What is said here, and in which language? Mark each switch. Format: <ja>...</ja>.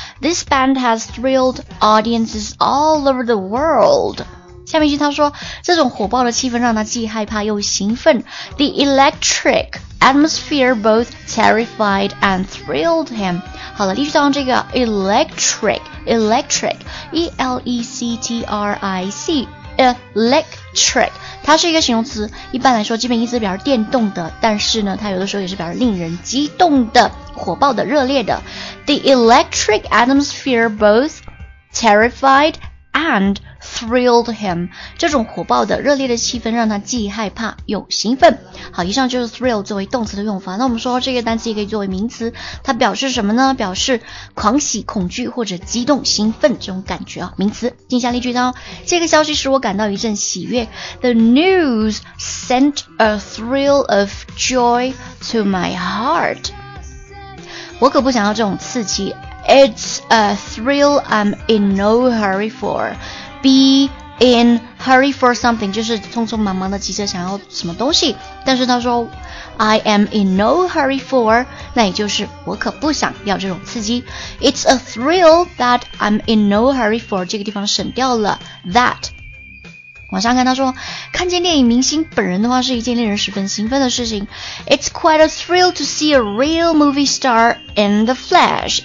<en>This band has thrilled audiences all over the world。</en> <zh>下面一句他说，这种火爆的气氛让他既害怕又兴奋。</zh> <en>The electric atmosphere both terrified and thrilled him.</en> <zh>好了，例句当中这个 electric, E-L-E-C-T-R-I-C, electric, 它是一个形容词，一般来说基本意思表示电动的，但是呢，它有的时候也是表示令人激动的、火爆的、热烈的。</zh> <en>The electric atmosphere both terrified and thrilled him.</en> <zh>这种火爆的热烈的气氛让他既害怕又兴奋。好，以上就是 thrill 作为动词的用法。那我们说这个单词也可以作为名词，它表示什么呢？表示狂喜、恐惧或者激动、兴奋这种感觉啊。名词。听下例句呢，这个消息使我感到一阵喜悦。</zh> <en>The news sent a thrill of joy to my heart.</en> <zh>我可不想要这种刺激。</zh> <en>It's a thrill I'm in no hurry for. Be in hurry for something</en> <zh>就是匆匆忙忙的急着想要什么东西，但是他说</zh> <en>I am in no hurry for，</en> <zh>那也就是我可不想要这种刺激。</zh> <en>It's a thrill that I'm in no hurry for，</en> <zh>这个地方省掉了</zh> <en>that。</en> <zh>往上看，他说看见电影明星本人的话是一件令人十分兴奋的事情。</zh> <en>It's quite a thrill to see a real movie star in the flesh.</en>